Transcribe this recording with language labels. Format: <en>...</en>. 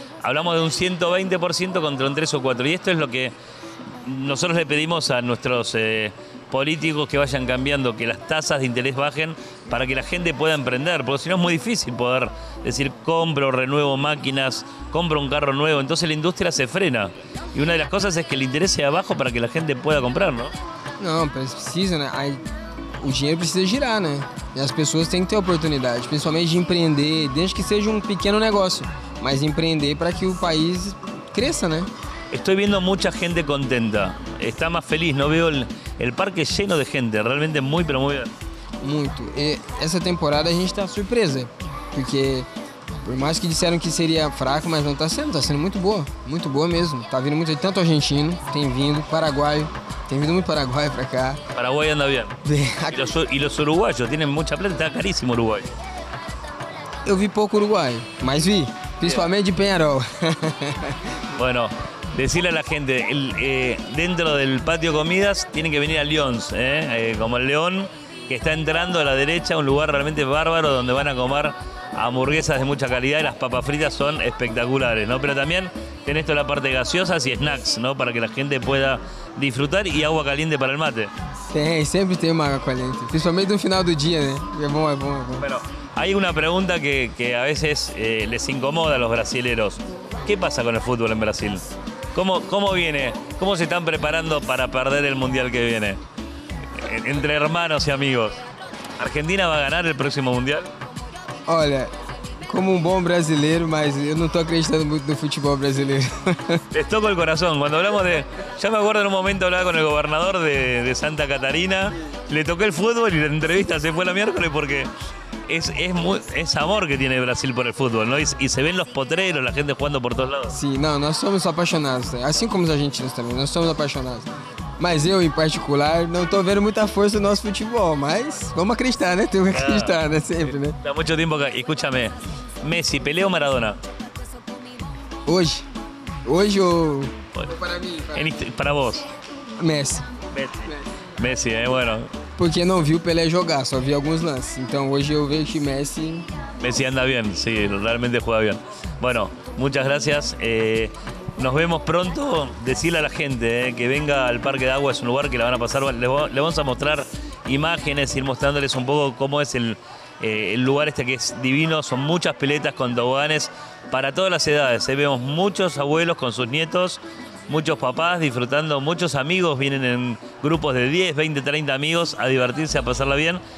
<es>Hablamos de un 120% contra un 3 o 4. Y esto es lo que nosotros le pedimos a nuestros políticos que vayan cambiando, que las tasas de interés bajen para que la gente pueda emprender. Porque si no es muy difícil poder decir, compro, renuevo máquinas, compro un carro nuevo. Entonces la industria se frena. Y una de las cosas es que el interés sea bajo para que la gente pueda comprar, ¿no? No, pero precisa, ¿no?</es> <pt>O dinheiro precisa girar, né? E as pessoas têm que ter oportunidade, principalmente de empreender, desde que seja um pequeno negócio, mas empreender para que o país cresça, né? Estou vendo muita gente contenta. Está mais feliz, não vejo o parque cheio de gente. Realmente muito, mas muito. Muito. E essa temporada a gente está surpresa, porque por mais que disseram que seria fraco, mas não está sendo. Está sendo muito boa mesmo. Está vindo muito, tanto argentino, tem vindo, paraguaio. Tem vindo muito Paraguai para cá. Paraguai anda bem. E os uruguaios, têm muita plata, está caríssimo o Uruguai. Eu vi pouco Uruguai, mas vi, principalmente de Peñarol.</pt> <es>Bueno, decirle a la gente, dentro del patio comidas, tienen que venir a Lyons, como el León, que está entrando a la derecha, un lugar realmente bárbaro, donde van a comer hamburguesas de mucha calidad y las papas fritas son espectaculares, ¿no? Pero también tenés toda la parte de gaseosas y snacks, ¿no? Para que la gente pueda disfrutar y agua caliente para el mate. Sí, siempre tengo agua caliente, principalmente al final del día, ¿no? Es bueno. Pero hay una pregunta que a veces les incomoda a los brasileros. ¿Qué pasa con el fútbol en Brasil? ¿Cómo viene? ¿Cómo se están preparando para perder el Mundial que viene? Entre hermanos y amigos. ¿Argentina va a ganar el próximo Mundial?</es> <pt>Olha, como um bom brasileiro, mas eu não estou acreditando muito no futebol brasileiro. Estou com o coração. Quando falamos de... Já me acordo em um momento, eu falava com o governador de Santa Catarina. Le toquei o futebol e a entrevista se foi a miércoles porque é amor que tem o Brasil por o futebol, não? E se vê os potreiros, a gente jogando por todos lados. Sim, não, nós somos apaixonados. Assim como os argentinos também, nós somos apaixonados. Mas eu, em particular, não estou vendo muita força no nosso futebol, mas vamos acreditar, né? Temos que acreditar, né? Sempre, né? Há muito tempo que...</pt> <es>Escúchame,</es> <pt>Messi, Pelé ou Maradona? Hoje. Hoje ou... Para mim. Para vós. Messi.</pt> <es>Messi, bueno.</es> <pt>porque não vi o Pelé jogar, só vi alguns lances. Então hoje eu vejo que Messi... Messi anda bem, sim, realmente joga bem.</pt> <es>Bueno, muchas gracias. Nos vemos pronto. Decirle a la gente que venga al Parque de Agua, es un lugar que la van a pasar. Le vamos a mostrar imágenes, ir mostrándoles un poco cómo es el lugar este que es divino. Son muchas piletas con toboganes para todas las edades. Vemos muchos abuelos con sus nietos, muchos papás disfrutando, muchos amigos vienen en grupos de 10, 20, 30 amigos a divertirse, a pasarla bien.</es>